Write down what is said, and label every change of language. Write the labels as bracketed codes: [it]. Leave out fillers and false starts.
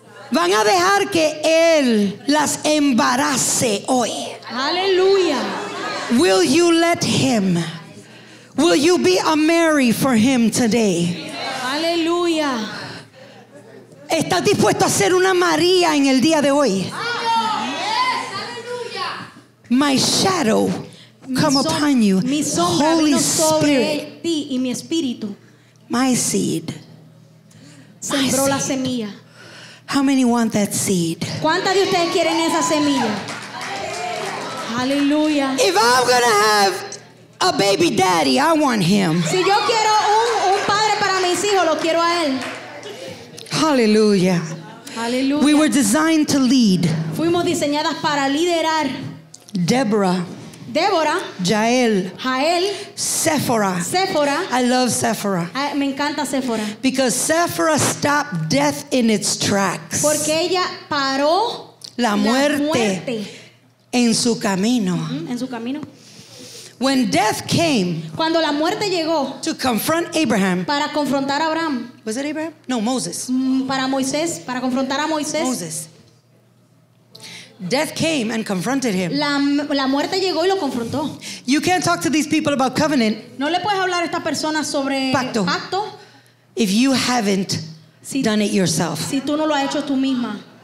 [es] Van a dejar que él las embarace hoy. Aleluya. [en] Will you let him? Will you be a Mary for him today? [es] Aleluya. ¿Estás dispuesto a ser una María en el día de hoy? [en] Yes. Aleluya. My shadow come upon you. [es] Mi sombra [en] Holy [es] sobre [en] Spirit. [es] Ti y mi espíritu. [en] My seed. [es] Sembró la semilla. [en] How many want that seed? [es] ¿Cuántas de ustedes quieren esa semilla? Aleluya. [en] If I'm gonna have a baby daddy, I want him. [es] Si yo quiero un padre para mis hijos, lo quiero a él. [en] Hallelujah. [es] Aleluya. [en] We were designed to lead. [es] Fuimos diseñadas para liderar. [en] Deborah. [es] Deborah. [en] Jael. [es] Jael. [en] Sephora. [es] Sephora. [en] I love Sephora. [es] Me encanta Sephora. [en] Because Sephora stopped death in its tracks. [es] Porque ella paró la muerte en su camino. En su camino. [en] When death came, [es] cuando la muerte llegó, [en] to confront Abraham, [es] para confrontar a Abraham. [en] Was it Abraham? No, Moses. [es] Para Moisés, para confrontar a Moisés. [en] Moses. Death came and confronted him. [es] La muerte llegó y lo confrontó. [en] You can't talk to these people about covenant. [es] No le puedes hablar a estas personas sobre pacto. [en] If you haven't done it yourself. [es] Si tú no lo has hecho tú misma.